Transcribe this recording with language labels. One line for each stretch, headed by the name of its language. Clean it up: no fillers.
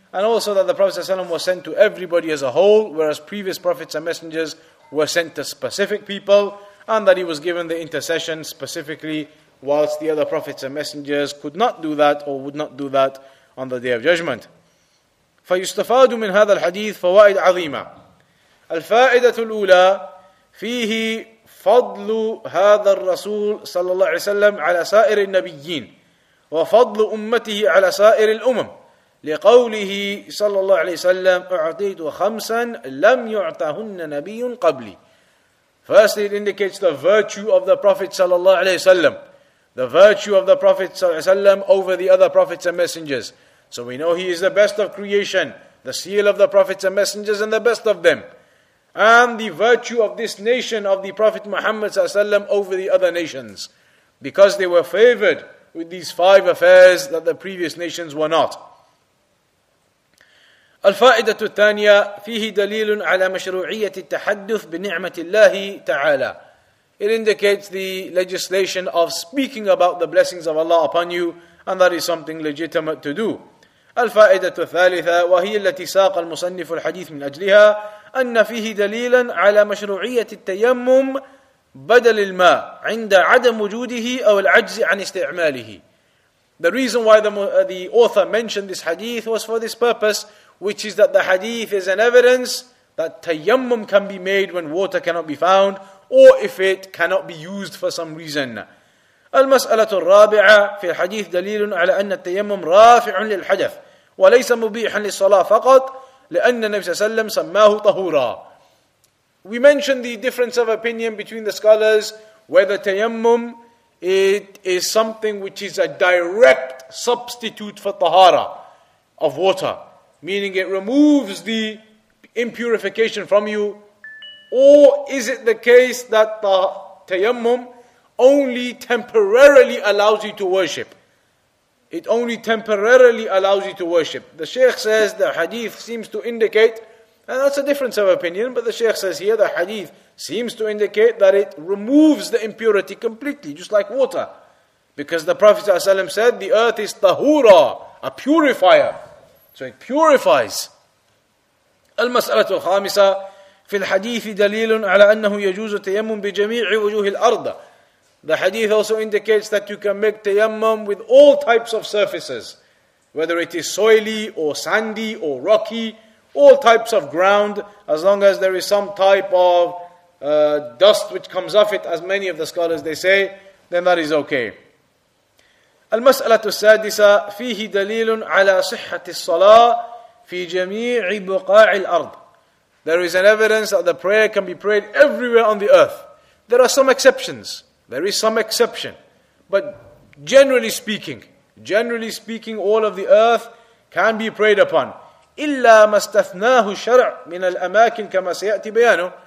English: And also that the Prophet ﷺ was sent to everybody as a whole, whereas previous prophets and messengers were sent to specific people, and that he was given the intercession specifically, whilst the other prophets and messengers could not do that or would not do that on the Day of Judgment.
Arabic: فَيُسْتَفَادُ مِنْ هَذَا الْحَدِيثِ فَوَائِدْ عَظِيمًا. الفائدة الأولى فيه فضل هذا الرسول صلى الله عليه وسلم على سائر النبيين وفضل أمته على سائر الأمم لقوله صلى الله عليه وسلم أعطيت خمسا لم يعطهن نبي قبلي.
English: Firstly, it indicates the virtue of the Prophet صلى الله عليه وسلم, the virtue of the Prophet صلى الله عليه وسلم over the other prophets and messengers. So we know he is the best of creation, the seal of the prophets and messengers, and the best of them. And the virtue of this nation of the Prophet Muhammad صلى الله عليه وسلم over the other nations, because they were favored with these five affairs that the previous nations were not.
Arabic: الفائدة الثانية فيه دليل على مشروعية التحدث بنعمة الله تعالى.
English: It indicates the legislation of speaking about the blessings of Allah upon you, and that is something legitimate to do.
Arabic: الفائدة الثالثة وهي التي ساق المصنف الحديث من أجلها أن فيه دليلا على مشروعية التيمم بدل الماء عند عدم وجوده أو العجز عن استعماله.
English: The reason why the author mentioned this hadith was for this purpose, which is that the hadith is an evidence that tayammum can be made when water cannot be found, or if it cannot be used for some reason.
Arabic: المسألة الرابعة في الحديث دليل على أن التيمم رافع للحدث وليس مبيحا للصلاة فقط لأن النبي صلى الله عليه وسلم سماه طهورا.
English: We mentioned the difference of opinion between the scholars whether tayammum it is something which is a direct substitute for tahara of water, meaning it removes the impurification from you, or is it the case that the tayammum only temporarily allows you to worship? It only temporarily allows you to worship. The Shaykh says the hadith seems to indicate, and that's a difference of opinion, but the Shaykh says here the hadith seems to indicate that it removes the impurity completely, just like water. Because the Prophet ﷺ said the earth is tahura, a purifier. So it purifies.
Arabic: المسألة الخامسة في الحديث دليل على أنه يجوز تيمم بجميع وجوه الأرض.
English: The hadith also indicates that you can make tayammum with all types of surfaces, whether it is soily or sandy or rocky, all types of ground, as long as there is some type of dust which comes off it, as many of the scholars they say, then that is okay.
Arabic: المسألة السادسة فيه دليل على صحة الصلاة في جميع بقاع الأرض.
English: There is an evidence that the prayer can be prayed everywhere on the earth. There are some exceptions. There is some exception. But generally speaking, all of the earth can be prayed upon.
Arabic: إِلَّا مَسْتَثْنَاهُ شَرْعٌ مِنَ الْأَمَاكِنِ كَمَا سَيَأْتِ بَيَانُ.